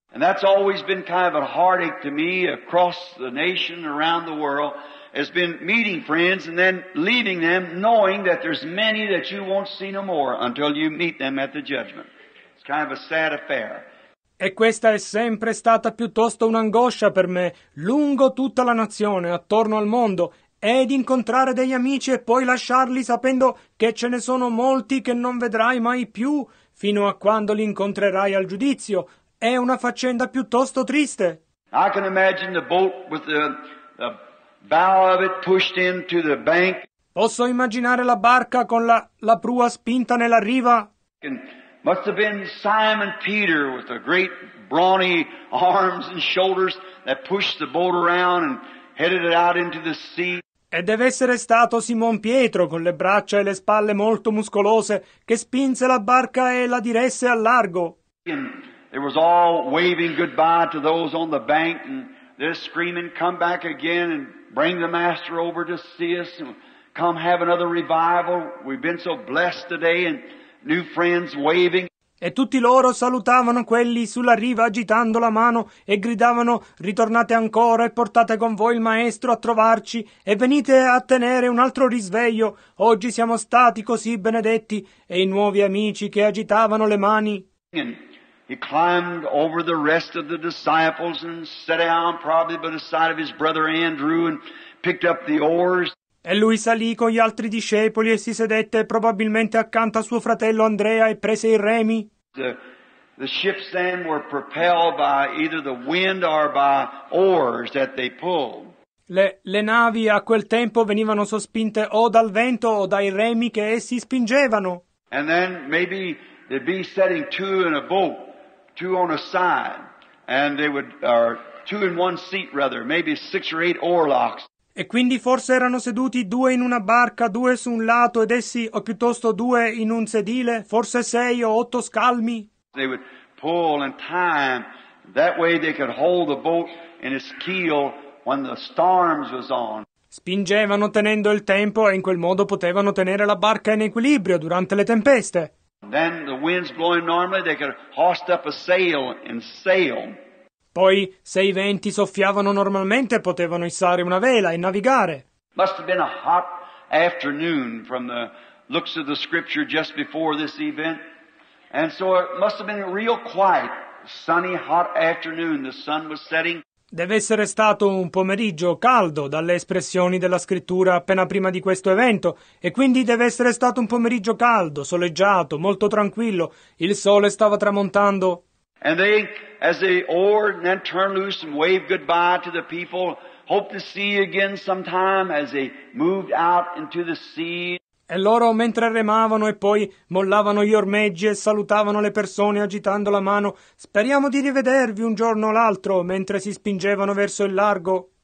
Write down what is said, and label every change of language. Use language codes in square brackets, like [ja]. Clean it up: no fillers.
[en] And that's always been kind of a heartache to me across the nation around the world, has been meeting friends and then leaving them, knowing that there's many that you won't see no more until you meet them at the judgment. It's kind of a sad affair. [it] E questa è sempre stata piuttosto un'angoscia per me, lungo tutta la nazione, attorno al mondo, ed incontrare degli amici e poi lasciarli sapendo che ce ne sono molti che non vedrai mai più fino a quando li incontrerai al giudizio. È una faccenda piuttosto triste. [en] I can imagine the boat with the bow of it pushed into the bank. [it] Posso immaginare la barca con la prua spinta nella riva. [en] And must have been Simon Peter with the great brawny arms and shoulders that pushed the boat around and headed it out into the sea. [it] E deve essere stato Simon Pietro con le braccia e le spalle molto muscolose che spinse la barca e la diresse al largo. [en] And it was all waving goodbye to those on the bank and they're screaming, come back again and bring the master over to see us and come have another revival. We've been so blessed today and new friends waving. [it] E tutti loro salutavano quelli sulla riva agitando la mano e gridavano, ritornate ancora e portate con voi il maestro a trovarci e venite a tenere un altro risveglio. Oggi siamo stati così benedetti e i nuovi amici che agitavano le mani. [en] And he climbed over the rest of the disciples and sat down probably by the side of his brother Andrew and picked up the oars. [it] E lui salì con gli altri discepoli e si sedette probabilmente accanto a suo fratello Andrea e prese i remi. [en] The ships then were propelled by either the wind or by oars that they pulled. [it] Le navi a quel tempo venivano sospinte o dal vento o dai remi che essi spingevano. [en] And then maybe they'd be setting two in a boat, two on a side, and they would, or two in one seat rather, maybe six or eight oarlocks. [it] E quindi forse erano seduti due in una barca, due su un lato ed essi, o piuttosto due in un sedile, forse sei o otto scalmi. [en] They would pull and time, that way they could hold the boat in its keel when the storms was on. [it] Spingevano tenendo il tempo e in quel modo potevano tenere la barca in equilibrio durante le tempeste. [en] Then the wind's blowing normally, they could hoist up a sail and sail. [it] Poi, se i venti soffiavano normalmente, potevano issare una vela e navigare. [en] Must have been a hot afternoon from the looks of the scripture just before this event. And so it must have been real quiet, sunny, hot afternoon, the sun was setting. [it] Deve essere stato un pomeriggio caldo, dalle espressioni della scrittura appena prima di questo evento, e quindi deve essere stato un pomeriggio caldo, soleggiato, molto tranquillo, il sole stava tramontando. [en] And they, as they oared and then turned loose and waved goodbye to the people, hoped to see you again sometime as they moved out into the sea. [it] E loro, mentre remavano e poi mollavano gli ormeggi e salutavano le persone agitando la mano, speriamo di rivedervi un giorno o l'altro, mentre si spingevano verso il largo.